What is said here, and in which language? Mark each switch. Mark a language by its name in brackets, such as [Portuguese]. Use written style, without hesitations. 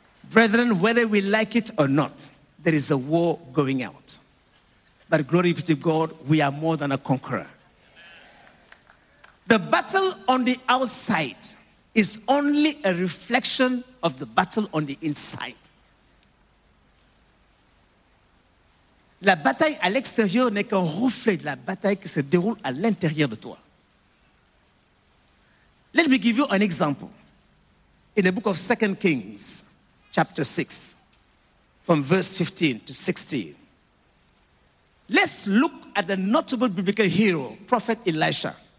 [English] Brethren, whether we like it or not, there is a war going out. But glory be to God, we are more than a conqueror. The battle on the outside is only a reflection of the battle on the inside. [French] La bataille à l'extérieur n'est qu'un reflet de la bataille qui se déroule à l'intérieur de toi. [English] Let me give you an example. In the book of 2 Kings, chapter 6, from verse 15 to 16. Let's look at the notable biblical hero, Prophet Elisha.